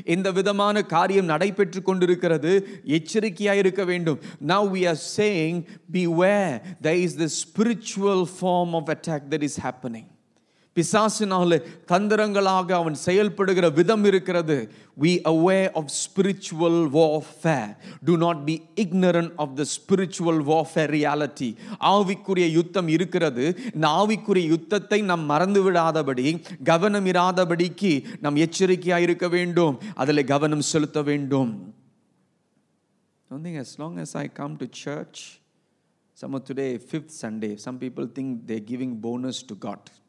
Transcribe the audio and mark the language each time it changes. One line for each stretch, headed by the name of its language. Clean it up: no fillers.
Tamil: இந்த விதமான காரியம் நடைபெற்று கொண்டிருக்கிறது, எச்சரிக்கையாக இருக்க வேண்டும்.
English: Now we are saying beware, that is the spiritual form of attack that is happening.
Tamil: பிசாசினாலே தந்திரங்களாக அவன் செயல்படுகிற விதம் இருக்கிறது.
English: We aware of spiritual warfare. Do not be ignorant of the spiritual warfare reality.
Tamil: ஆவிக்குரிய யுத்தம் இருக்கிறது. இந்த ஆவிக்குரிய யுத்தத்தை நாம் மறந்துவிடாதபடி, கவனம் இராதபடிக்கு நாம் எச்சரிக்கையாக இருக்க வேண்டும், அதில் கவனம் செலுத்த வேண்டும்.
English: Something, as long as I come to church, some of today, 5th Sunday, some people think they're giving bonus to God.